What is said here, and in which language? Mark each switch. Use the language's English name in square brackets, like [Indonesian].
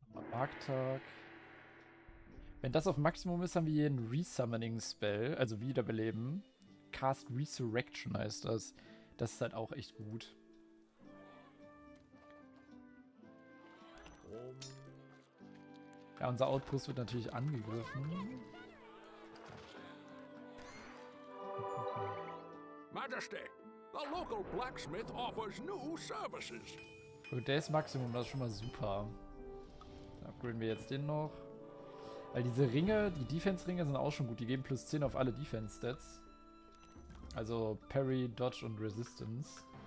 [German] Marktag. Wenn das auf Maximum ist, haben wir hier einen Resummoning-Spell, also Wiederbeleben. [English] Cast Resurrection [German] heißt das. Das ist halt auch echt gut. Ja, unser Outpost wird natürlich angegriffen. [English] Majesty, the local blacksmith offers new services. [German] Gut, der ist Maximum, das ist schon mal super. Dann upgraden wir jetzt den noch. Weil diese Ringe, die Defense-Ringe sind auch schon gut. Die geben plus 10 auf alle Defense-Stats. Also Parry, Dodge und Resistance.